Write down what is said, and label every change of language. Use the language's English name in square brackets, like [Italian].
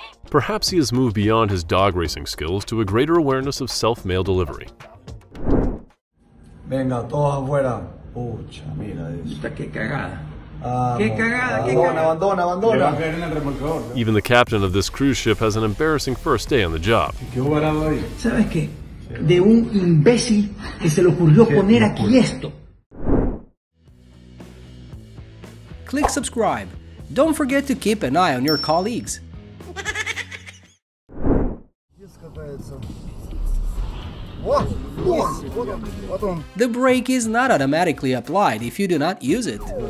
[English] Perhaps he has moved beyond his dog racing skills to a greater awareness of self-mail delivery. [Spanish] Venga, todos afuera. Pucha, mira eso. Qué cagada. Qué cagada, qué cagada. Abandona, abandona, abandona. [English] Even the captain of this cruise ship has an embarrassing first day on the job. [Spanish] ¿Sabes qué? De un imbécil que se le ocurrió poner aquí esto. [English] Click subscribe. Don't forget to keep an eye on your colleagues. The brake is not automatically applied if you do not use it.